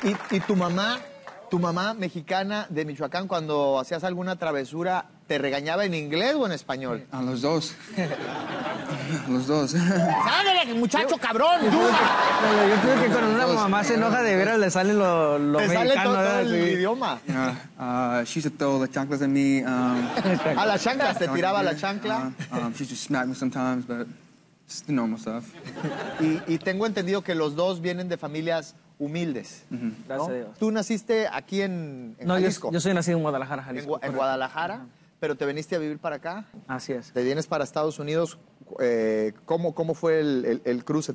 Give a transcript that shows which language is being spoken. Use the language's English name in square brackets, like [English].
[Spanish] ¿Y tu mamá mexicana de Michoacán, cuando hacías alguna travesura, te regañaba en inglés o en español? A los dos. A los dos. ¡Sálele, muchacho, cabrón! Yo creo que cuando una mamá se enoja de veras, le sale lo mexicano. Sale todo el idioma. [English] She used to throw the chanclas at me. [Spanish] ¿A las chanclas? ¿Te tiraba la chancla? [English] She used to smack me sometimes, but it's the normal stuff. [Spanish] Y tengo entendido que los dos vienen de familias... humildes. Uh-huh. Gracias, ¿no? A Dios. ¿Tú naciste aquí en Jalisco? Yo soy nacido en Guadalajara, Jalisco. En Guadalajara, uh-huh. Pero te viniste a vivir para acá. Así es. Te vienes para Estados Unidos. ¿Cómo fue el cruce?